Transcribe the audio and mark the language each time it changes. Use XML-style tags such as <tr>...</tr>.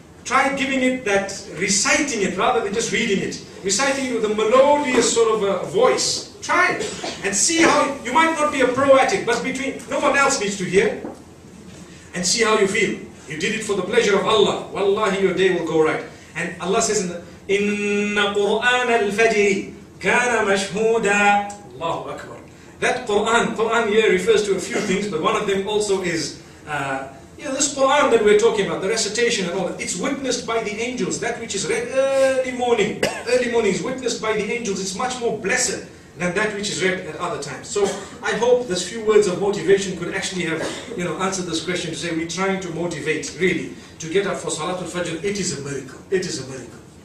<en>Try giving it that, reciting it rather than just reading it. Reciting it with a melodious sort of a voice. Try it and see how, you might not be a pro at it, but between, no one else needs to hear. And see how you feel. You did it for the pleasure of Allah. Wallahi, your day will go right. And Allah says,</en> <ar>إِنَّ قُرْآنَ الْفَجْرِ كَانَ مَشْهُودًا.</ar> <en>Allahu Akbar. That Qur'an here refers to a few things, but one of them also is, you know, this Qur'an that we're talking about, the recitation and all that, it's witnessed by the angels. That which is read early morning is witnessed by the angels. It's much more blessed than that which is read at other times. So I hope this few words of motivation could actually have, you know, answered this question to say we're trying to motivate, really, to get up for Salatul Fajr. It is a miracle. It is a miracle.</en>